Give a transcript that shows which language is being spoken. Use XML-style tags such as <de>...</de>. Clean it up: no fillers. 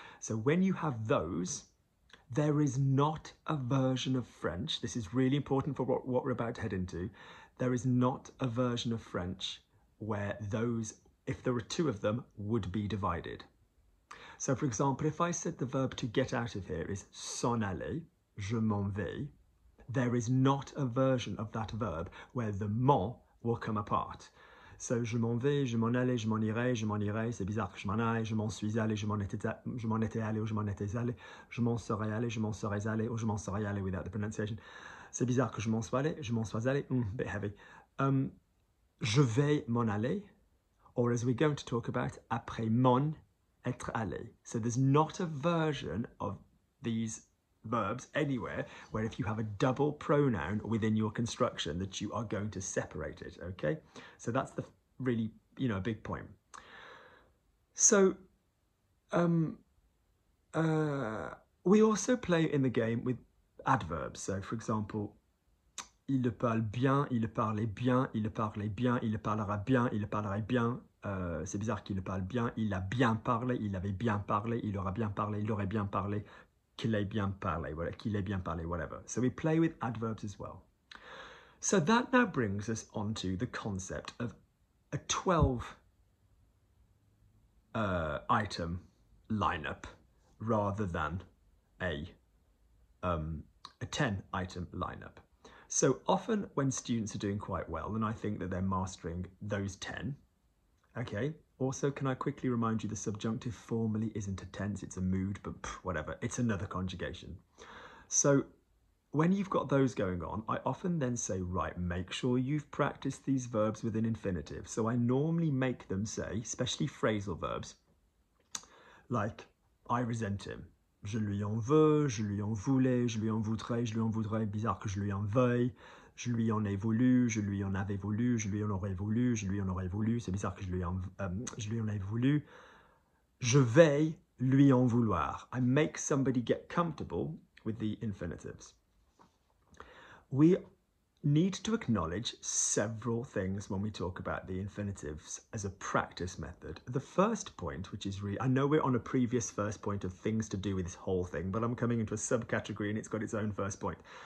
<en>So when you have those, there is not a version of French, this is really important for what we're about to head into, there is not a version of French where those, if there were two of them, would be divided. So for example, if I said the verb to get out of here is</en> <fr>s'en aller, je m'en vais,</fr> <en>there is not a version of that verb where the mon will come apart.</en> <fr>So je m'en vais, je m'en allais, je m'en irai, c'est bizarre que je m'en aille, je m'en suis allé, je m'en étais allé ou je m'en étais allé, je m'en serais allé ou je m'en serais allé</fr> <en>without the pronunciation.</en> <fr>C'est bizarre que je m'en sois allé,</fr> <en>bit heavy.</en> <fr>Je vais m'en aller,</fr> <en>or as we're going to talk about,</en> <fr>après mon, être allé.</fr> <en>So there's not a version of these verbs anywhere where if you have a double pronoun within your construction that you are going to separate it, okay? So that's the really, you know, a big point. So we also play in the game with adverbs.</en> <fr>So for example, il le parle bien, il le parlait bien, il le parlait bien, il le parlera bien, il le parlerait bien. C'est bizarre qu'il le parle bien, il a bien parlé, il avait bien parlé, il aura bien parlé, il aurait bien parlé, qu'il ait bien parlé, voilà, qu'il ait bien parlé, whatever.</fr> <en>So we play with adverbs as well. So that now brings us onto the concept of a 12 item lineup rather than a 10 item lineup. So often when students are doing quite well, and I think that they're mastering those 10, okay, also can I quickly remind you the subjunctive formally isn't a tense, it's a mood, but whatever, it's another conjugation. So when you've got those going on, I often then say, right, make sure you've practiced these verbs with an infinitive. So I normally make them say, especially phrasal verbs, Like, I resent him.</en> <fr>Je lui en veux, je lui en voulais, je lui en voudrais, bizarre que je lui en veuille. Je lui en ai voulu, je lui en avais voulu, je lui en aurais voulu, je lui en aurais voulu, c'est bizarre que je lui en ai voulu. Je vais lui en vouloir.</fr> <en>I make somebody get comfortable with the infinitives. We need to acknowledge several things when we talk about the infinitives as a practice method. The first point, which is really, I know we're on a previous first point of things to do with this whole thing, but I'm coming into a subcategory and it's got its own first point.</en>